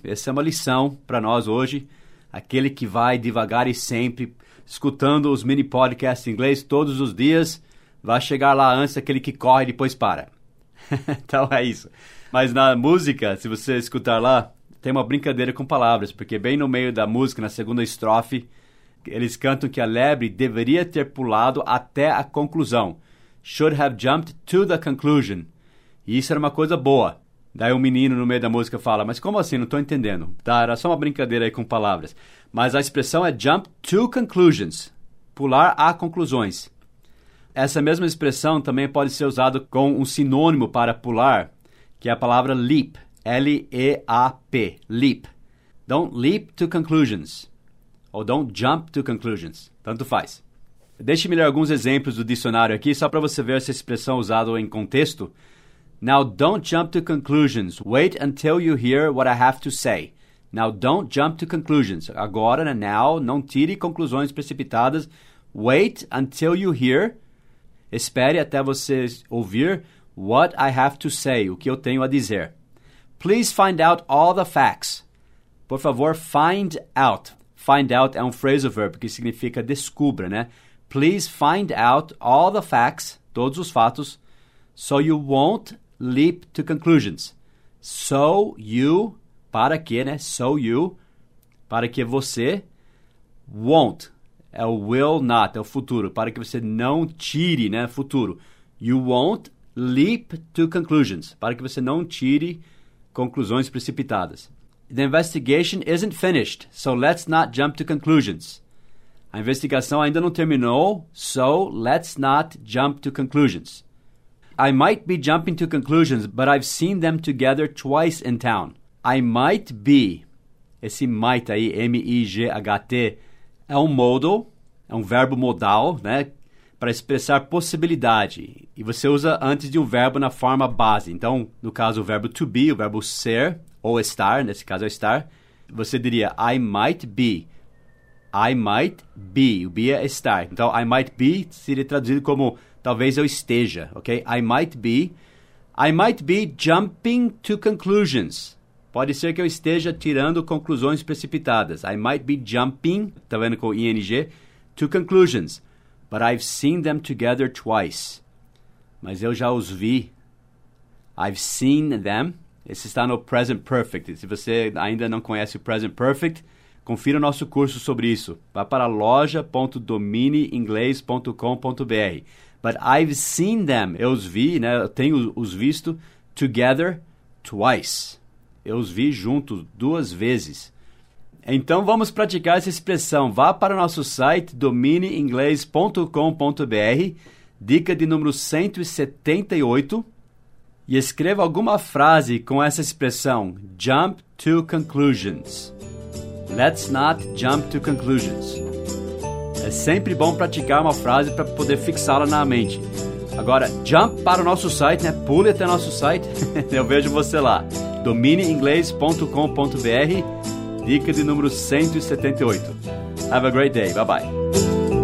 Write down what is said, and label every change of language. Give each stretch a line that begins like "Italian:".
Portuguese: Essa é uma lição para nós hoje. Aquele que vai devagar e sempre, escutando os mini podcasts em inglês todos os dias, vai chegar lá antes daquele que corre e depois para. Então é isso. Mas na música, se você escutar lá, tem uma brincadeira com palavras, porque bem no meio da música, na segunda estrofe, eles cantam que a lebre deveria ter pulado até a conclusão.
English: Should have jumped to the conclusion.
Portuguese: E isso era uma coisa boa. Daí um menino no meio da música fala, mas como assim? Não estou entendendo. Tá, era só uma brincadeira aí com palavras. Mas a expressão é
English: jump to conclusions.
Portuguese: Pular a conclusões. Essa mesma expressão também pode ser usada com um sinônimo para pular, que é a palavra leap.
English: L-E-A-P. Leap. Don't leap to conclusions. Ou don't jump to conclusions.
Portuguese: Tanto faz. Deixe-me ler alguns exemplos do dicionário aqui, só para você ver essa expressão usada em contexto.
English: Now, don't jump to conclusions. Wait until you hear what I have to say. Now, don't jump to conclusions.
Portuguese: Agora,
English: now,
Portuguese: não tire conclusões precipitadas.
English: Wait until you hear.
Portuguese: Espere até você ouvir
English: what I have to say,
Portuguese: o que eu tenho a dizer.
English: Please find out all the facts.
Portuguese: Por favor,
English: find out.
Portuguese: Find out é um phrasal verb que significa descubra, né?
English: Please find out all the facts,
Portuguese: todos os fatos,
English: so you won't leap to conclusions. So you,
Portuguese: para que, né?
English: So you,
Portuguese: para que você won't, é o will not, é o futuro, para que você não tire, né, futuro.
English: You won't leap to conclusions,
Portuguese: para que você não tire conclusões precipitadas.
English: The investigation isn't finished, so let's not jump to conclusions.
Portuguese: A investigação ainda não terminou,
English: so let's not jump to conclusions. I might be jumping to conclusions, but I've seen them together twice in town. I might be.
Portuguese: Esse might aí, M-I-G-H-T, é um modal, é um verbo modal, né? Para expressar possibilidade. E você usa antes de um verbo na forma base. Então, no caso, o verbo to be, o verbo ser ou estar, nesse caso é estar, você diria
English: I might be. I might be.
Portuguese: O be é estar. Então, I might be seria traduzido como talvez eu esteja, ok?
English: I might be. I might be jumping to conclusions.
Portuguese: Pode ser que eu esteja tirando conclusões precipitadas.
English: I might be jumping,
Portuguese: tá vendo com ing,
English: to conclusions. But I've seen them together twice.
Portuguese: Mas eu já os vi.
English: I've seen them.
Portuguese: Esse está no present perfect. Se você ainda não conhece o present perfect, confira o nosso curso sobre isso. Vá para loja.domineinglês.com.br.
English: But I've seen them.
Portuguese: Eu os vi, né? Eu tenho os visto
English: together twice.
Portuguese: Eu os vi juntos duas vezes. Então, vamos praticar essa expressão. Vá para o nosso site, domineinglês.com.br, dica de número 178, e escreva alguma frase com essa expressão,
English: jump to conclusions. Let's not jump to conclusions.
Portuguese: É sempre bom praticar uma frase para poder fixá-la na mente. Agora, jump para o nosso site, né? Pule até o nosso site, eu vejo você lá. domineinglês.com.br, dica de número 178.
English: Have a great day. Bye-bye.